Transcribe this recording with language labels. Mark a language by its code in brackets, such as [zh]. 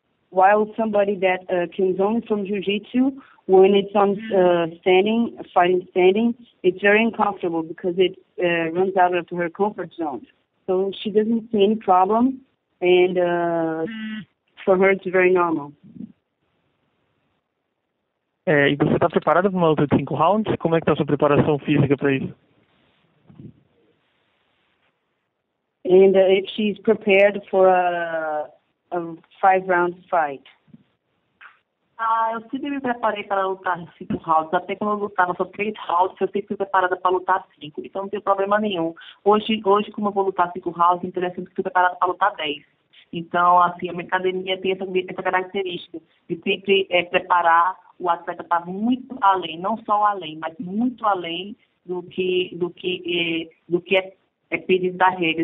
[en] While somebody that comes only from jiu-jitsu, when it's on standing, fighting standing, it's very uncomfortable because it runs out of her comfort zone. So she doesn't see any problem, and for her it's very normal. [pt] É, e você está preparada para uma luta de 5 rounds? Como é que está a sua preparação física para isso? [en] And if she's prepared for a 5-round fight. [pt] Ah, eu sempre me preparei para lutar 5 rounds. Até quando eu lutava só 3 rounds, eu sempre fui preparada para lutar 5. Então não tem problema nenhum. Hoje como eu vou lutar 5 rounds, então eu sempre fui preparada para lutar 10. Então, assim, a minha academia tem essa característica de sempre preparar o atleta para muito além, não só o além, mas muito além do que é pedido da regra.